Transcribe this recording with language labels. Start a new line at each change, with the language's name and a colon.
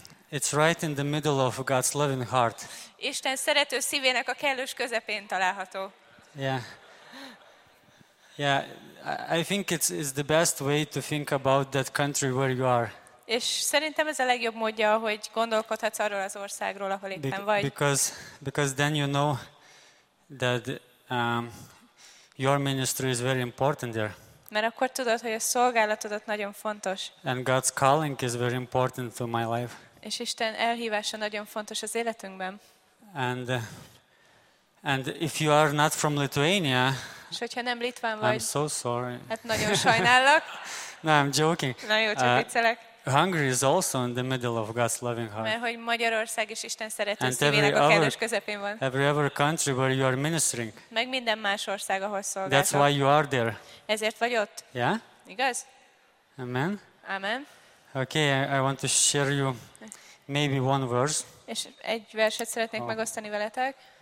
English: It's right in the middle of God's loving heart.
Hungarian: Isten szerető szívének a kellős közepén található.
English: Yeah. I think it's the best way to think about that country where you are.
Hungarian: És szerintem ez a legjobb módja, hogy gondolkodhatsz arról az országról, ahol éppen vagy.
English: Because then you know that your ministry is very important there.
Hungarian: Mert akkor tudod, hogy a szolgálatod ott nagyon fontos.
English: And God's calling is very important to my life.
Hungarian: És Isten elhívása nagyon fontos az életünkben.
English: And if you are not from Lithuania,
Hungarian: és hogyha nem litván vagy,
English: I'm so sorry.
Hungarian: Hát nagyon sajnálok.
English: No, I'm joking.
Hungarian: Na jó, csak viccelek.
English: Hungary is also in the middle of God's loving heart.
Hungarian: Mert hogy Magyarország is Isten szerető szívének a kellős közepén van.
English: Every other country where you are ministering.
Hungarian: Meg minden más ország, ahol szolgálsz.
English: That's why you are there.
Hungarian: Ezért vagy ott.
English: Yeah?
Hungarian: Igaz? Amen. Amen.
English: Okay, I want to share you maybe one verse.
Hungarian: És egy verset szeretnék megosztani veletek.